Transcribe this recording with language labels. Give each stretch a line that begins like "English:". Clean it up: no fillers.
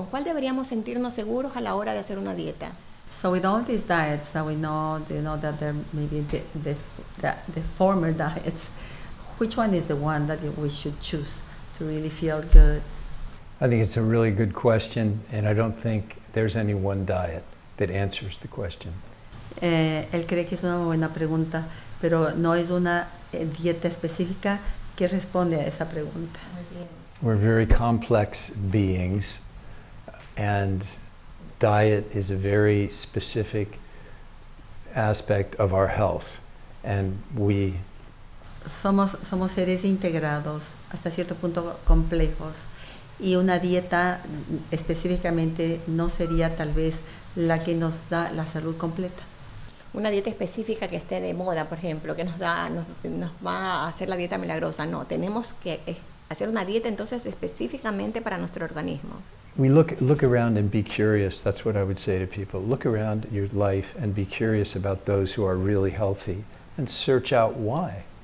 Spanish: ¿Con cuál deberíamos sentirnos seguros a la hora de hacer una dieta?
English: So with all these diets that we know, you know that there may be the former diets, which one is the one that we should choose to really feel good? I think it's a really good question, and I don't think there's any one diet that answers the question.
Spanish: Él cree que es una buena pregunta, pero no es una dieta específica que responde a esa pregunta.
English: We're very complex beings, and diet is a very specific aspect of our health, and we
Spanish: somos seres integrados, hasta cierto punto complejos, y una dieta específicamente no sería tal vez la que nos da la salud completa. Una dieta específica que esté de moda, por ejemplo, que nos va a hacer la dieta milagrosa. No, tenemos que hacer una dieta entonces específicamente para nuestro organismo.
English: We look around and be curious. That's what I would say to people. Look around your life and be curious about those who are really healthy and search out why.